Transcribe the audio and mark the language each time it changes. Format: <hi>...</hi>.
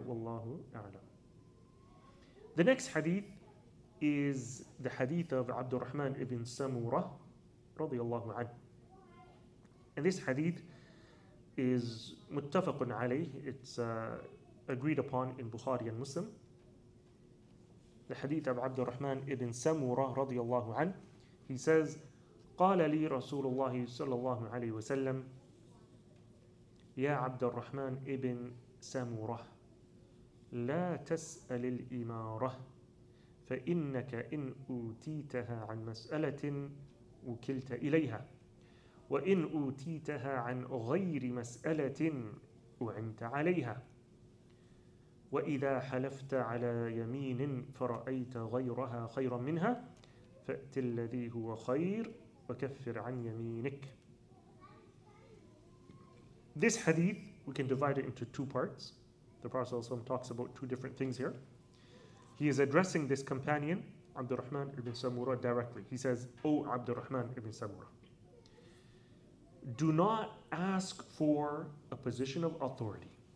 <en>Wallahu a'lam. The next hadith is the hadith of Abdurrahman ibn Samurah, radiallahu anhu. And this hadith is muttafaqun alayh. It's agreed upon in Bukhari and Muslim. The hadith of Abdurrahman ibn Samurah, radiallahu anhu. He says,</en> <ar>قال لي رسول الله صلى الله عليه وسلم يا عبد الرحمن ابن سمورة لا تسأل الإمارة فإنك إن أوتيتها عن مسألة وكلت إليها وإن أوتيتها عن غير مسألة وعنت عليها وإذا حلفت على يمين فرأيت غيرها خيرا منها فأت الذي هو خير وكفر عن يمينك.</ar> <en>This hadith, we can divide it into two parts. The Prophet ﷺ talks about two different things here. He is addressing this companion, Abdurrahman ibn Samurah, directly. He says, O Abdurrahman ibn Samurah, do not ask for a position of authority.</en>